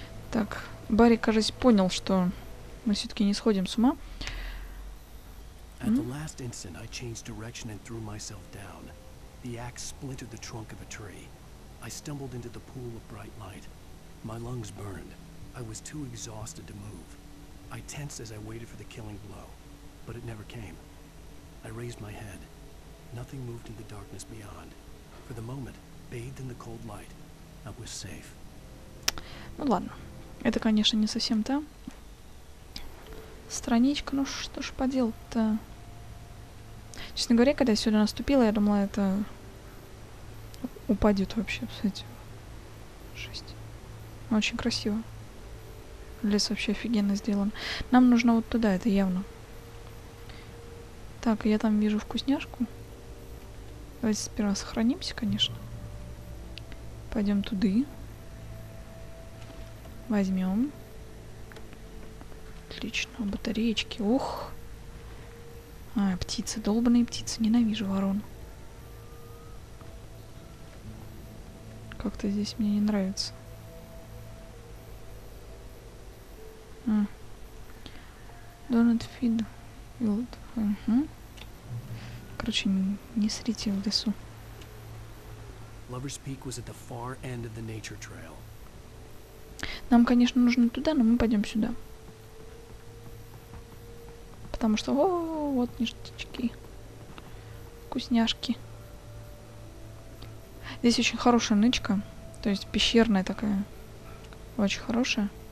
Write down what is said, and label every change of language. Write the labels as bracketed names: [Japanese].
[Russian] Так, Барри, кажется, понял, что мы все-таки не сходим с ума. [English] At the last instant, I changed direction and threw myself down. The axe splintered the trunk of a tree. I stumbled into the pool of bright light. My lungs burned. I was too exhausted to move. I tensed as I waited for the killing blow, but it never came. I raised my head. Nothing moved in the darkness beyond. For the moment, bathed in the cold light, I was safe. [Russian] Ну ладно. Это, конечно, не совсем та страничка, ну что ж поделать-то? Честно говоря, когда я сюда наступила, я думала, это... Упадет вообще, кстати. Жесть. Очень красиво. Лес вообще офигенно сделан. Нам нужно вот туда, это явно. Так, я там вижу вкусняшку. Давайте сперва сохранимся, конечно. Пойдем туда. Возьмем. Отлично, батареечки. Ух. А, птицы, долбанные птицы. Ненавижу ворон. Как-то здесь мне не нравится. [English] Don't feed wild. [Russian] Короче, не срите в лесу. [English] Lover's Peak was at the far end of the nature trail. [Russian] Нам, конечно, нужно туда, но мы пойдем сюда. Потому что вот ништячки. Вкусняшки. Здесь очень хорошая нычка. То есть пещерная такая. Очень хорошая.